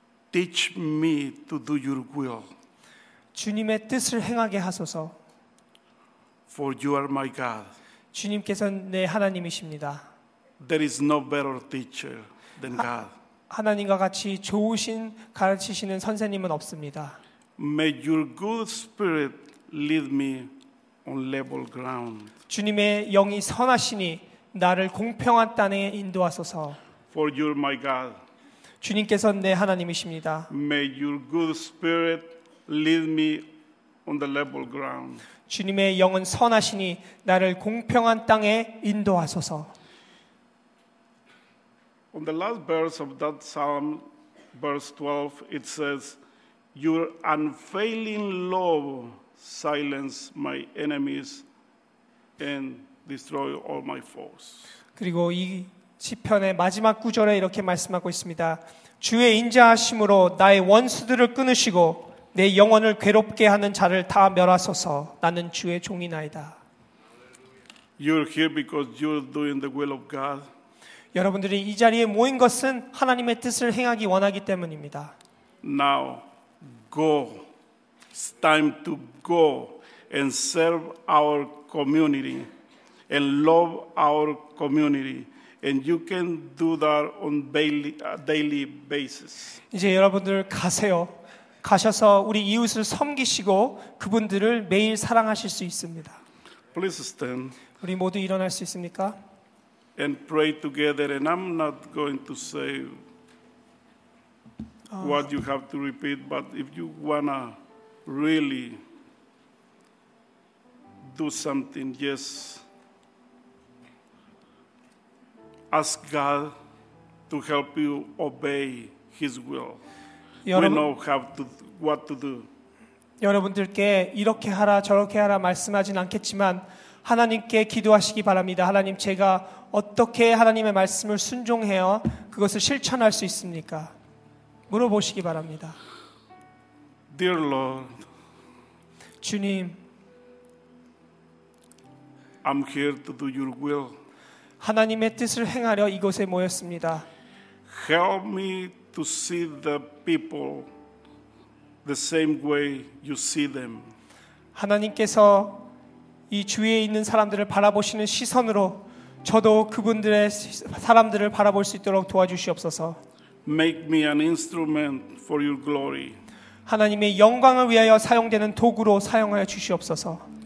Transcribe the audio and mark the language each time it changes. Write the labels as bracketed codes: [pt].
[en] Teach me to do your will. [ko] 주님의 뜻을 행하게 하소서. [en] For you are my God. [ko] 주님께서는 내 하나님이십니다. [en] There is no better teacher than God. [ko] 하나님과 같이 좋으신 가르치시는 선생님은 없습니다. [en] May your good spirit lead me on level ground. [ko] 주님의 영이 선하시니 나를 공평한 땅에 인도하소서. [en] For you are my God. [ko] 주님께서는 내 하나님이십니다. [en] May your good spirit lead me on the level ground. [ko] 주님의 영은 선하시니 나를 공평한 땅에 인도하소서. [en] On the last verse of that psalm, verse 12, it says, Your unfailing love silenced my enemies and destroyed all my foes. [ko] 그리고 이 시편의 마지막 구절에 이렇게 말씀하고 있습니다. 주의 인자하심으로 나의 원수들을 끊으시고 내 영혼을 괴롭게 하는 자를 다 멸하소서. 나는 주의 종이나이다. [en] You're here because you're doing the will of God. [ko] 여러분들이 이 자리에 모인 것은 하나님의 뜻을 행하기 원하기 때문입니다. [en] Now go. It's time to go and serve our community and love our community. And you can do that on daily basis. [ko] 이제 여러분들 가세요. 가셔서 우리 이웃을 섬기시고 그분들을 매일 사랑하실 수 있습니다. [en] Please stand. [ko] 우리 모두 일어날 수 있습니까? [en] And pray together. And I'm not going to say what you have to repeat. But if you wanna really do something, just ask God to help you obey His will. [ko] 여러분, [en] we know how to what to do. [ko] 여러분들께 이렇게 하라 저렇게 하라 말씀하진 않겠지만 하나님께 기도하시기 바랍니다. 하나님 제가 어떻게 하나님의 말씀을 순종해요? 그것을 실천할 수 있습니까? 물어보시기 바랍니다. [en] Dear Lord, [ko] 주님, [en] I'm here to do your will. [ko] 하나님의 뜻을 행하려 이곳에 모였습니다. [en] Help me to see the people the same way you see them. [ko] 하나님께서 이 주위에 있는 사람들을 바라보시는 시선으로 저도 그분들의 사람들을 바라볼 수 있도록 도와주시옵소서. [en] Make me an instrument for your glory. [ko] 하나님의 영광을 위하여 사용되는 도구로 사용하여 주시옵소서.